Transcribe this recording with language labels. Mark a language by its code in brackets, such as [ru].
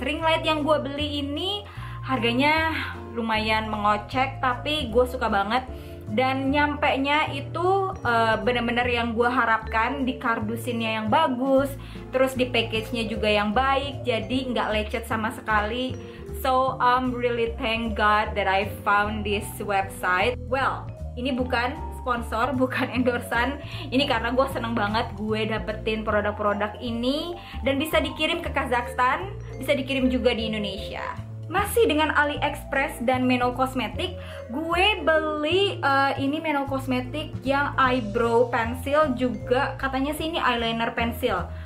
[id] Ring light yang gue beli ini harganya lumayan mengocek, tapi gue suka banget. Dan nyampenya itu benar-benar yang gue harapkan, di kardusinnya yang bagus, terus di package-nya juga yang baik, jadi nggak lecet sama sekali. [en] So I'm really thank God that I found this website. [id] Well, ini bukan sponsor, bukan endorsan. Ini karena gue seneng banget gue dapetin produk-produk ini dan bisa dikirim ke Kazakhstan, bisa dikirim juga di Indonesia. Masih dengan AliExpress dan Menow Cosmetics, gue beli ini Menow Cosmetics yang eyebrow pencil, juga katanya sih ini eyeliner pencil.